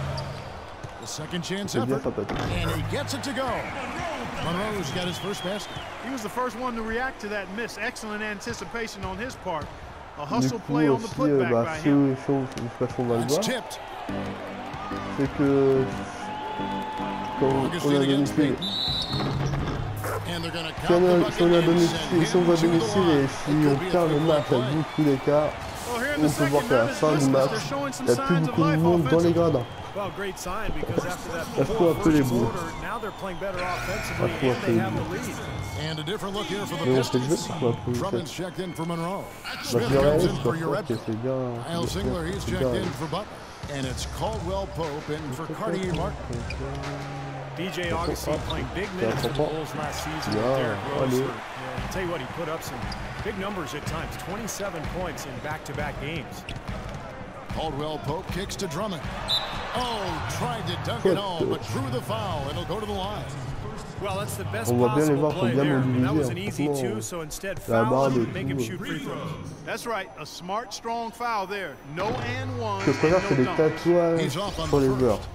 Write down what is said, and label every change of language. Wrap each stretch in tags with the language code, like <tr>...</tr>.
<fr>Du coup aussi, si on va le voir, c'est que si on va domicile et si on perd le match à beaucoup d'écart, on peut voir qu'à la fin du match, il n'y a plus beaucoup de monde dans les gradins.</fr> <en>Well, great sign because after that fourth quarter, now they're playing better offensively and they have the lead. And a different look here for the Pistons. Drummond's checked in for Monroe. Smith comes in for Yurevko. Kyle Singler, he's checked in for Butler. And it's Caldwell Pope in for Cartier Martin. DJ Augustine playing big minutes for the Bulls last season with Derrick Rose. I'll tell you what, he put up some big numbers at times. 27 points in back-to-back games. Caldwell Pope kicks to Drummond. Oh, tried to dunk it all, but drew the foul. It'll go to the line. Well, that's the best possible play there. That was an easy two, so instead foul him and make him shoot free throws. That's right, a smart, strong foul there. No and one.</en> <fr>Je préfère que les tatouages sur les joueurs.</fr>